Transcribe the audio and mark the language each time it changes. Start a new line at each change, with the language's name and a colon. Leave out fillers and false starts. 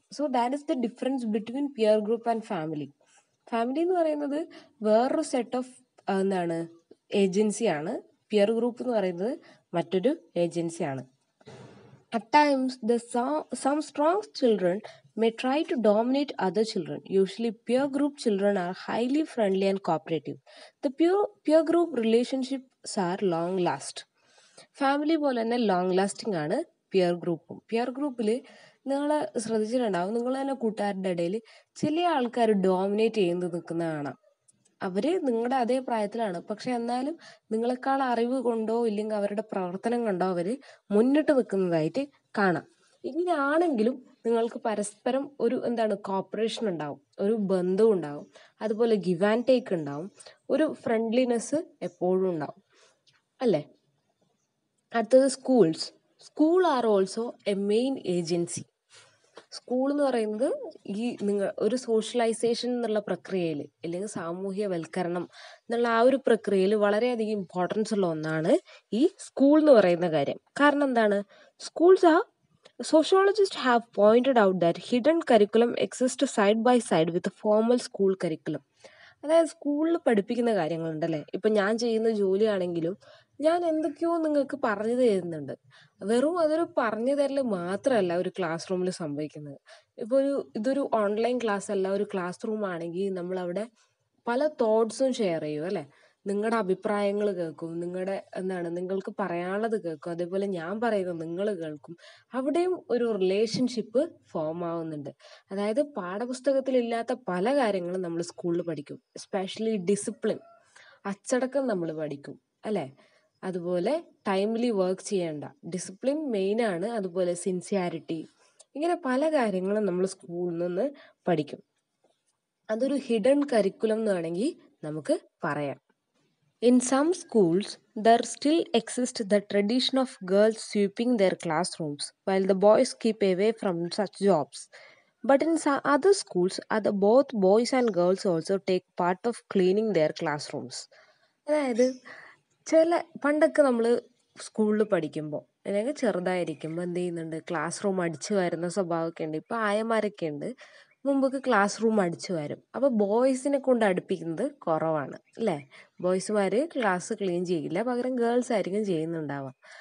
English: So that is the difference between peer group and family.
Malayalam: Family എന്ന് പറയുന്നത് വേറൊരു set of എന്താണ് ഏജൻസിയാണ്. പിയർ ഗ്രൂപ്പ് എന്ന് പറയുന്നത് മറ്റൊരു ഏജൻസിയാണ്.
English: At times the some strong children may try to dominate other children. Usually peer group children are highly friendly and cooperative. The peer group relationships are long last.
Malayalam: Family pole enna long lasting aanu peer group. Peer group il ningale sradichirundavu ningale enna kootarude idayil chila aalkaru dominate cheyindu nikkuna aanu. അവരെ നിങ്ങളുടെ അതേ പ്രായത്തിലാണ്, പക്ഷെ എന്നാലും നിങ്ങളെക്കാൾ അറിവ് കൊണ്ടോ ഇല്ലെങ്കിൽ അവരുടെ പ്രവർത്തനം കൊണ്ടോ അവർ മുന്നിട്ട് നിൽക്കുന്നതായിട്ട് കാണാം. ഇങ്ങനെയാണെങ്കിലും നിങ്ങൾക്ക് പരസ്പരം ഒരു എന്താണ് കോപ്പറേഷൻ ഉണ്ടാവും, ഒരു ബന്ധം ഉണ്ടാവും, അതുപോലെ ഗിവ് ആൻഡ് ടേക്ക് ഉണ്ടാവും, ഒരു ഫ്രണ്ട്ലിനെസ് എപ്പോഴും ഉണ്ടാവും അല്ലേ. അടുത്തത് schools.
English: School are also a main agency.
Malayalam: School എന്ന് പറയുന്നത് ഈ നിങ്ങൾ ഒരു സോഷ്യലൈസേഷൻ എന്നുള്ള പ്രക്രിയയിൽ, അല്ലെങ്കിൽ സാമൂഹ്യവൽക്കരണം എന്നുള്ള ആ ഒരു പ്രക്രിയയിൽ വളരെയധികം ഇമ്പോർട്ടൻസ് ഉള്ള ഒന്നാണ് ഈ സ്കൂൾ എന്ന് പറയുന്ന കാര്യം. കാരണം എന്താണ്, സ്കൂൾസ് ആ
English: Sociologists have pointed out that hidden curriculum exists side by side with the formal school curriculum.
Malayalam: അതായത് സ്കൂളിൽ പഠിപ്പിക്കുന്ന കാര്യങ്ങളുണ്ടല്ലേ, ഇപ്പം ഞാൻ ചെയ്യുന്ന ജോലിയാണെങ്കിലും ഞാൻ എന്തൊക്കെയോ നിങ്ങൾക്ക് പറഞ്ഞു തരുന്നുണ്ട്. വെറും അതൊരു പറഞ്ഞു തരൽ മാത്രമല്ല ഒരു ക്ലാസ് റൂമിൽ സംഭവിക്കുന്നത്. ഇപ്പോൾ ഒരു ഇതൊരു ഓൺലൈൻ ക്ലാസ് അല്ല, ഒരു ക്ലാസ് റൂം ആണെങ്കിൽ നമ്മളവിടെ പല തോട്ട്സും ഷെയർ ചെയ്യും അല്ലേ. നിങ്ങളുടെ അഭിപ്രായങ്ങൾ കേൾക്കും, നിങ്ങളുടെ എന്താണ് നിങ്ങൾക്ക് പറയാനുള്ളത് കേൾക്കും, അതേപോലെ ഞാൻ പറയുന്നത് നിങ്ങൾ കേൾക്കും. അവിടെയും ഒരു റിലേഷൻഷിപ്പ് ഫോം ആവുന്നുണ്ട്. അതായത് പാഠപുസ്തകത്തിലില്ലാത്ത പല കാര്യങ്ങളും നമ്മൾ സ്കൂളിൽ പഠിക്കും, എസ്പെഷ്യലി ഡിസിപ്ലിൻ, അച്ചടക്കം നമ്മൾ പഠിക്കും അല്ലേ. അതുപോലെ ടൈംലി വർക്ക് ചെയ്യേണ്ട, ഡിസിപ്ലിൻ മെയിനാണ്. അതുപോലെ സിൻസിയാരിറ്റി, ഇങ്ങനെ പല കാര്യങ്ങളും നമ്മൾ സ്കൂളിൽ നിന്ന് പഠിക്കും. അതൊരു ഹിഡൻ കരിക്കുലം എന്ന് വേണമെങ്കിൽ നമുക്ക് പറയാം.
English: In some schools, there still exists the tradition of girls sweeping their classrooms while the boys keep away from such jobs. But in some other schools, both boys and girls also take part of cleaning their classrooms.
Malayalam: അതായത് ചില പണ്ടൊക്കെ നമ്മൾ സ്കൂളിൽ പഠിക്കുമ്പോൾ, അല്ലെങ്കിൽ ചെറുതായിരിക്കുമ്പോൾ എന്ത് ചെയ്യുന്നുണ്ട്, ക്ലാസ് റൂം അടിച്ചു വരുന്ന സ്വഭാവമൊക്കെ ഉണ്ട്. ഇപ്പോൾ ആയമാരൊക്കെ ഉണ്ട്, മുമ്പൊക്കെ ക്ലാസ് റൂം അടിച്ചു വരും. അപ്പോൾ ബോയ്സിനെ കൊണ്ട് അടുപ്പിക്കുന്നത് കുറവാണ് അല്ലേ. ബോയ്സുമാർ ക്ലാസ് ക്ലീൻ ചെയ്യില്ല, പകരം ഗേൾസ് ആയിരിക്കും ചെയ്യുന്നുണ്ടാവാം.